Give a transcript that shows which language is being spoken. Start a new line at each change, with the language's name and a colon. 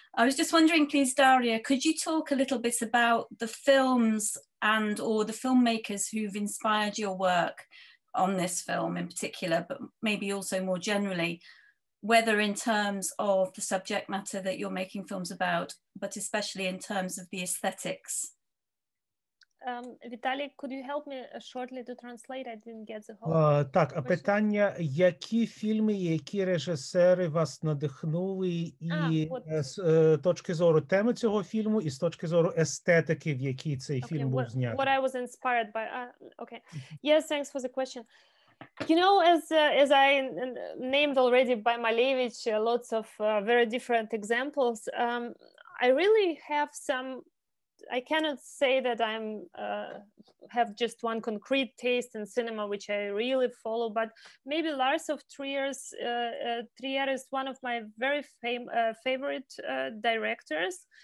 English: I was just wondering, please, Daria, could you talk a little bit about the films and or the filmmakers who've inspired your work on this film in particular, but maybe also more generally, whether in terms of the subject matter that you're making films about, but especially in terms of the aesthetics? Vitaly, could you help me shortly to translate? I didn't get the whole так, question.
Ukrainian: Питання, які фільми, які режисери вас надихнули з точки зору теми цього фільму і з точки зору естетики, в якій цей фільм був знятий?
English: What I was inspired by. Okay. Yes, thanks for the question. You know, as I named already by Malevich, lots of very different examples, I really have some... I cannot say that I'm have just one concrete taste in cinema which I really follow, but maybe Lars of Trier's Trier is one of my very favorite directors.